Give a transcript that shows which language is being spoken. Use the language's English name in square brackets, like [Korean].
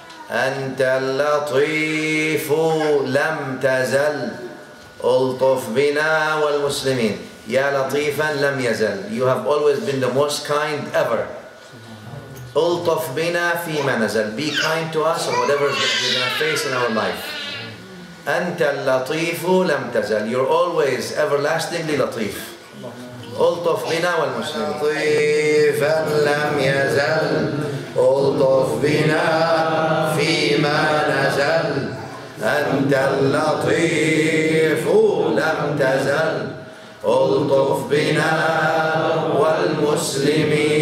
[Arabic] أنت اللطيف لم تزل ألطف بنا والمسلمين يا لطيفا لم يزل. [English] You have always been the most kind ever. [Arabic] ألطف بنا فيما نزل. [English] Be kind to us or whatever we're gonna face in our life. [Arabic] أنت اللطيف لم تزل. [English] You're always everlastingly لطيف. [Arabic] ألطف بنا والمسلمين. لطيفا لم يزل ألطف بنا فيما نزل. أنت اللطيف لم تزل ألطف بنا والمسلمين.